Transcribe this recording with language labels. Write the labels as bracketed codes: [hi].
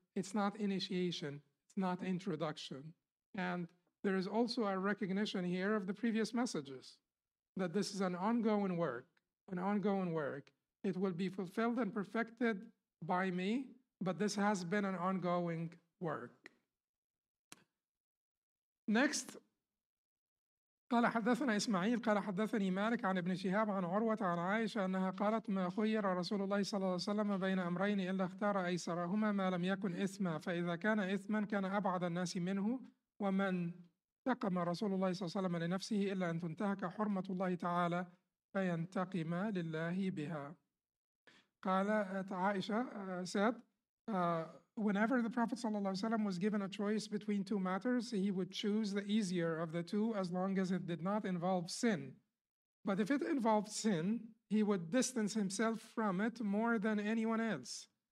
[en] It's not initiation. It's not introduction. And there is also a recognition here of the previous messages that this is an ongoing work, an ongoing work. It will be fulfilled and perfected by me, but this has been an ongoing work. Next. [ar] قال حدثنا إسماعيل قال حدثني مالك عن ابن شهاب عن عروة عن عائشة أنها قالت ما خير رسول الله صلى الله عليه وسلم بين أمرين إلا اختار أيسرهما ما لم يكن إثما فإذا كان إثما كان أبعد الناس منه ومن تقم رسول الله صلى الله عليه وسلم لنفسه إلا أن تنتهك حرمة الله تعالى فينتقم لله بها. قالت عائشة [en] said whenever the Prophet ﷺ was given a choice between two matters, he would choose the easier of the two as long as it did not involve sin. But if it involved sin, he would distance himself from it more than anyone else.